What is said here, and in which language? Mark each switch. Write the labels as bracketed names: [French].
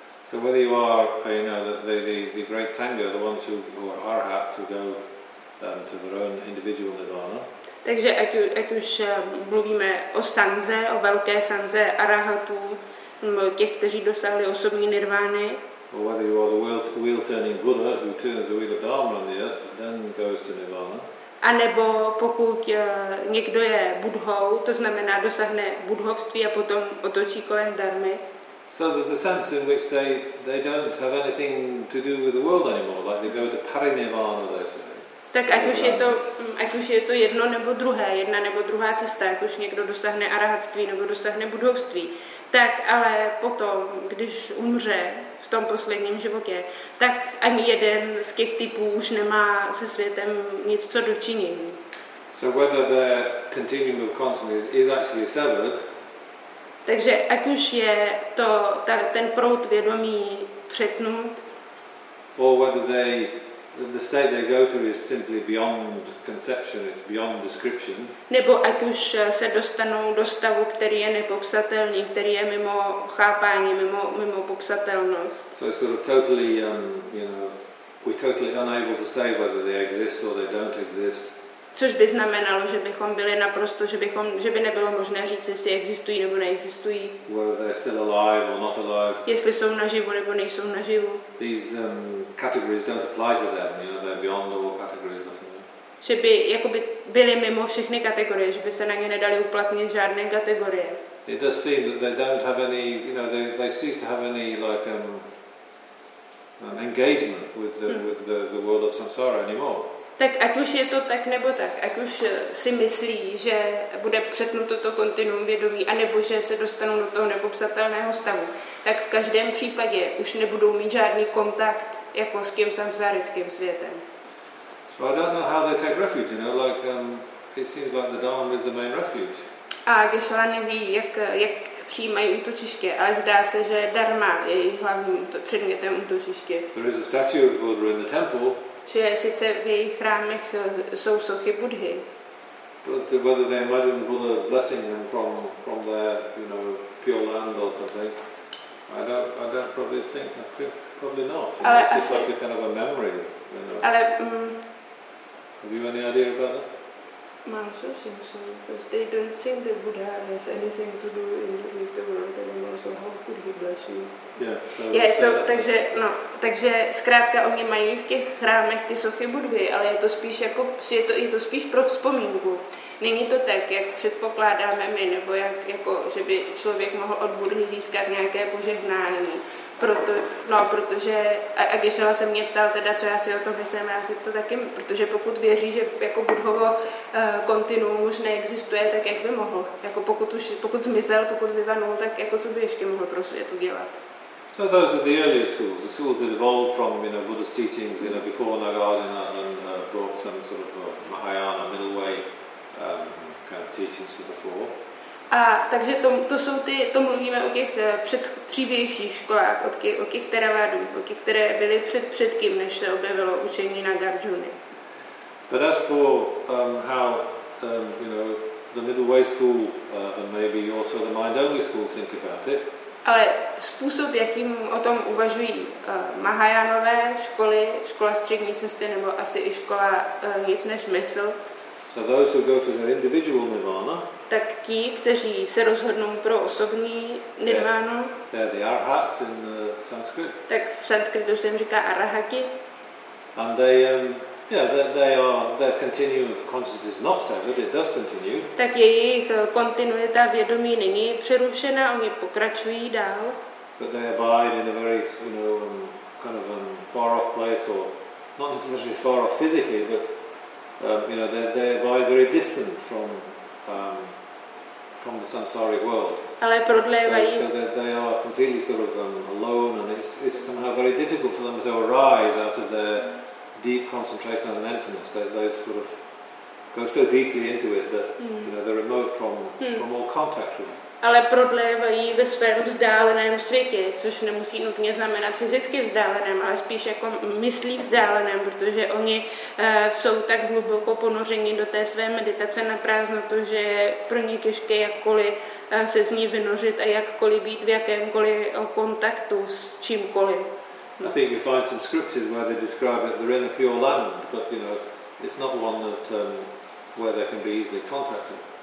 [English] So whether you are, you know, the great sangha, the ones who are arhats who go to their own individual nirvana. [Czech] Takže ať už mluvíme o sanze, o velké sanze arahatů, nebo těch, kteří dosáhli osobní nirvány. [English] Or whether you are the wheel-turning Buddha who turns the wheel of Dharma on the earth, but then goes to Nirvana. [Czech] A nebo pokud někdo je Budhou, to znamená dosáhne budhovství a potom otočí kolem Dharmy. [English] So there's a sense in which they don't have anything to do with the world anymore, like they go to Parinirvana, they say. [Czech] Tak ať už je to jedno nebo druhé, jedna nebo druhá cesta, ať už někdo dosáhne arahatství nebo dosáhne budhovství, tak ale potom, když umře v tom posledním životě, tak ani jeden z těch typů už nemá se světem nic co dočinění. [English] So whether the continuum of consciousness is actually severed. [Czech] Takže ať už je ten prout vědomí přetnut. [English] or whether they the state they go to is simply beyond conception, it's beyond description. [Czech] Nebo ať už se dostanou do stavu, který je nepopsatelný, který je mimo chápání, mimo popsatelnost. [English] So it's sort of totally, you know, we're totally unable to say whether they exist or they don't exist. [Czech] Což by znamenalo, že bychom byli naprosto, že by nebylo možné říct, jestli existují nebo neexistují. [English] Whether they're still alive or not alive. [Czech] Jestli jsou naživu nebo nejsou naživu. [English] These categories don't apply to them, you know, they're beyond all categories or something. [Czech] Že by jakoby byly mimo všechny kategorie, že by se na ně nedali uplatnit žádné kategorie. [English] It does seem that they don't have any, you know, they cease to have any like an engagement with the world of samsara anymore. [Czech] Tak ať už je to tak nebo tak, ať už si myslí, že bude přetnuto to kontinuum vědomí, anebo že se dostanou do toho nepopsatelného stavu, tak v každém případě už nebudou mít žádný kontakt jako s tím samsárickým světem. [English] So I don't know how they take refuge, you know, like it seems like the Dharma is the main refuge. [Czech] A Geshe-la neví, jak přijímají útočiště, ale zdá se, že Dharma je jejich hlavním předmětem útočiště. [English] There is a statue of Buddha in the temple. [Czech] Že sice v jejich chrámech jsou sochy Budhy. [English] But whether they imagine Buddha blessing them from their, you know, pure land or something, I don't probably think, probably not. [Czech] Ale [English] know, it's just like a kind of a memory, you know. [Czech] Ale, [English] have you any idea about that? [Czech] Mám [English] something, so because they don't think that Buddha has anything to do in with the world anymore, so how could he bless you? Yeah, [Czech] so takže, no, takže zkrátka oni mají v těch chrámech ty sochy Budhy, ale je to spíš jako, je to spíš pro vzpomínku. Není to tak, jak předpokládáme my, nebo jak, jako, že by člověk mohl od Budhy získat nějaké požehnání. Protože Geshe-la se mě ptal teda, co já si o tom myslím, já si to taky, protože pokud věří, že jako Budhovo kontinuum už neexistuje, tak jak by mohl? Jako pokud zmizel, pokud vyvanul, tak jako co by ještě mohl pro svět udělat? [English] So those are the earlier schools, the schools that evolved from, you know, Buddha's teachings, you know, before Nagarjuna and brought some sort of Mahayana middle way kind of teachings to the fore. [Czech] A takže to jsou ty, to mluvíme o těch předtřívějších školách, o těch teravádových, o těch, které byly předtím, než se objevilo učení Nagarjuny. [English] But as for how you know, the middle way school and maybe also the mind only school think about it. [Czech] Ale způsob, jakým o tom uvažují Mahajánové školy, škola střední cesty nebo asi i škola nic než mysl. [English] So those who go to their individual nirvana. [Czech] Tak ti, kteří se rozhodnou pro osobní nirvánu. [English] They're the arhats in the Sanskrit. [Czech] Tak v sanskritu se jim říká arahati. [English] And they their continuum of consciousness is not severed, it does continue. [Czech] Tak jejich kontinuita vědomí není přerušena, oni pokračují dál. [English] But they abide in a very, you know, kind of a far off place, or not necessarily far off physically, but you know, they abide very distant from the samsaric world. [Czech] Ale prodlévají. [English] So they are completely sort of alone, and it's somehow very difficult for them to arise out of their deep concentration on emptiness. They sort of go so deeply into it that you know, they're remote from all contact with it. [Czech] Ale prodlévají ve svém vzdáleném světě, což nemusí nutně znamenat fyzicky vzdáleném, ale spíš jako myslí vzdáleném, protože oni jsou tak hluboko ponořeni do té své meditace na prázdnotu, že je pro ně těžké jakkoliv se z ní vynořit a jakkoliv být v jakémkoliv kontaktu s čímkoliv. [English] I think you find some scriptures where they describe that they're in a pure land, but you know, it's not one that where they can be easily contacted.